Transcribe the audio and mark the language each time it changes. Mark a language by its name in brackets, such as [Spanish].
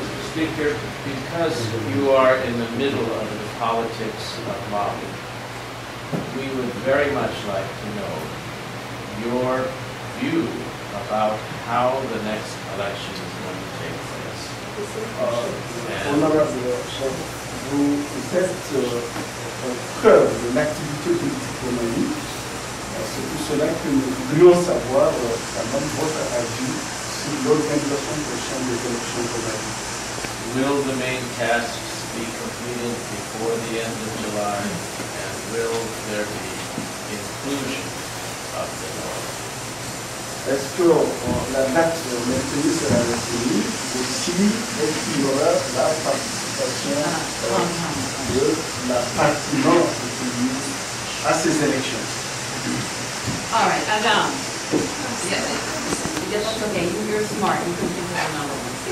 [English] Speaker, because you are in the middle of the politics of Mali, we would very much like to know your view about how the next election is going to take place. [French] Honorable Chef, vous êtes au cœur de l'activité politique au Mali. C'est pour cela que nous voulions savoir comment votre avis sur l'organisation prochaine des élections au Mali. [English] Will the main tasks be completed before the end of July, and will there be inclusion of the law? [French] Est-ce que la date maintenue sera maintenue, ou si est-ce qu'il y aura la participation de la partie nord à ces élections? [English] All right, Adam. Yes, okay, you're smart, you can think of another one.